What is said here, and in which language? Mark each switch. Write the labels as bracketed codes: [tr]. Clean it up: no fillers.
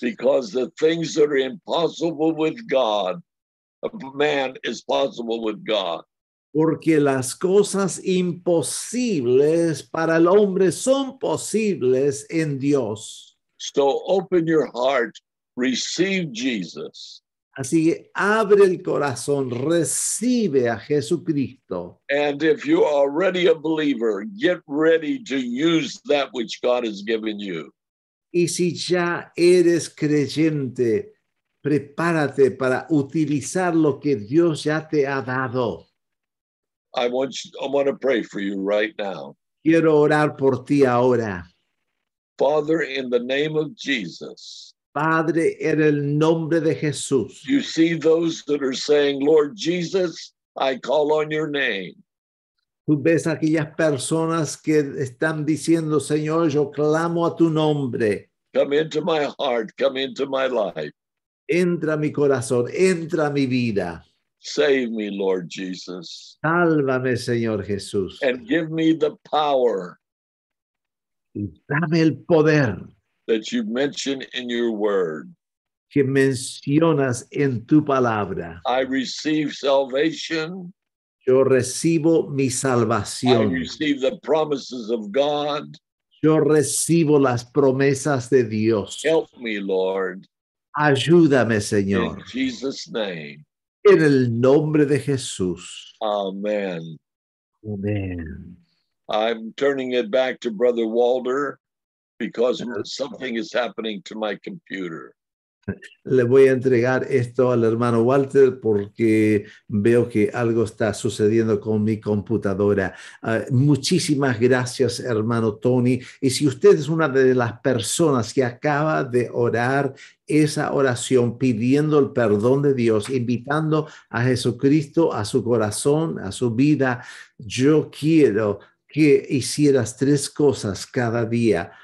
[en] Because the things that are impossible with God, man is possible with God. [es] Porque las cosas imposibles para el hombre son posibles en Dios. [en] So open your heart, receive Jesus. [es] Así que abre el corazón, recibe a Jesucristo. [en] And if you are already a believer, get ready to use that which God has given you. [es] Y si ya eres creyente, prepárate para utilizar lo que Dios ya te ha dado. [en] I want to pray for you right now. [es] Quiero orar por ti ahora. [en] Father, in the name of Jesus. [es] Padre, en el nombre de Jesús. [en] You see those that are saying, Lord Jesus, I call on your name. [es] Tú ves aquellas personas que están diciendo, Señor, yo clamo a tu nombre. [en] Come into my heart. Come into my life. [es] Entra mi corazón. Entra mi vida. [en] Save me, Lord Jesus. [es] Sálvame, Señor Jesús. [en] And give me the power. [es] Dame el poder. [en] That you mention in your word. [es] Que mencionas en tu palabra. [en] I receive salvation. [es] Yo recibo mi salvación. [en] I receive the promises of God. [es] Yo recibo las promesas de Dios. [en] Help me, Lord. [es] Ayúdame, Señor. [en] In Jesus' name. [es] En el nombre de Jesús. [en] Amen. [es] Amen. [en] I'm turning it back to Brother Walder because something is happening to my computer. [es] Le voy a entregar esto al hermano Walter porque veo que algo está sucediendo con mi computadora. Muchísimas gracias, hermano Tony. Y si usted es una de las personas que acaba de orar esa oración pidiendo el perdón de Dios, invitando a Jesucristo a su corazón, a su vida, yo quiero que hicieras tres cosas cada día.